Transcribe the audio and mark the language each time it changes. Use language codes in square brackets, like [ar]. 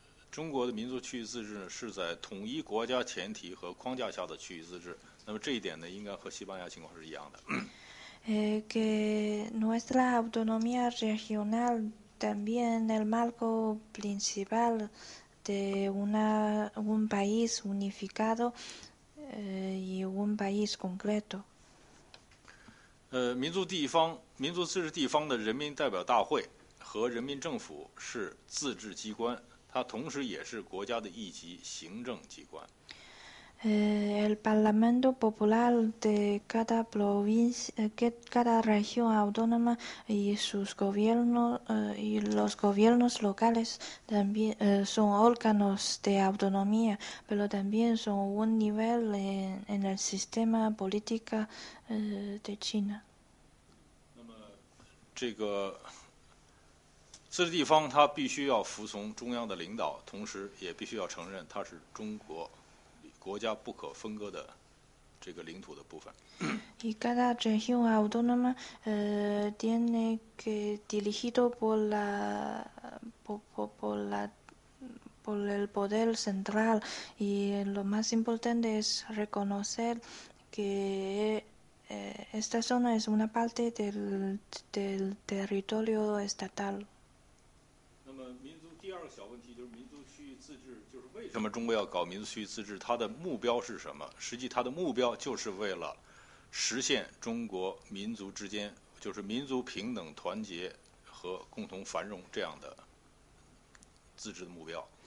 [es] China de [zh] 民族区域自治是在统一国家前提和框架下的区域自治，那么这一点呢，应该和西班牙情况是一样的。 [es] Que nuestra autonomía regional también el marco principal de un país unificado y un país concreto. [zh] 民族地方民族自治地方的人民代表大会和人民政府是自治机关，它同时也是国家的一级行政机关。 [es] El Parlamento Popular de cada provincia, cada región autónoma y sus gobiernos y los gobiernos locales también son órganos de autonomía, pero también son un nivel en el sistema político de China. [zh] 那么，这个自治地方它必须要服从中央的领导，同时也必须要承认它是中国。国家不可分割的这个领土的部分。 [es] Y cada región autónoma tiene que dirigido por el poder central y lo más importante es reconocer que esta zona es una parte del territorio estatal. [zh] 那么，民族第二个小问题就是民族。为什么中国要搞民族区域自治，它的目标是什么？实际它的目标就是为了实现中国民族之间，就是民族平等团结和共同繁荣这样的自治的目标。